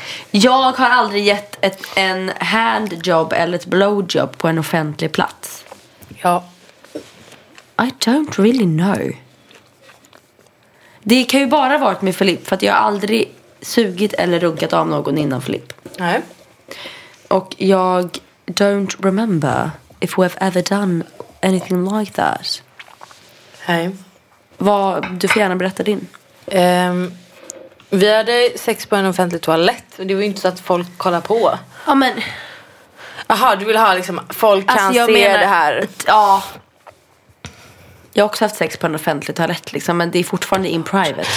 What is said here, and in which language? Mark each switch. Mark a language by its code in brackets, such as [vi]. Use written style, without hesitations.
[sv] Jag har aldrig gett en handjobb eller ett blowjobb på en offentlig plats. Ja. [en] I don't really know. [sv] Det kan ju bara varit med Filip, för att jag har aldrig sugit eller ruggat av någon innan Filip. Nej. Och jag [en] don't remember if we have ever done anything like that. [sv] Hej. Vad, du får gärna berätta din. Vi hade sex på en offentlig toalett. Det var ju inte så att folk kollar på. Ja, men... Jaha, du vill ha liksom... Folk kan alltså, se menar, det här. Ja. Jag har också haft sex på en offentlig toalett, liksom, men det är fortfarande [en] in private.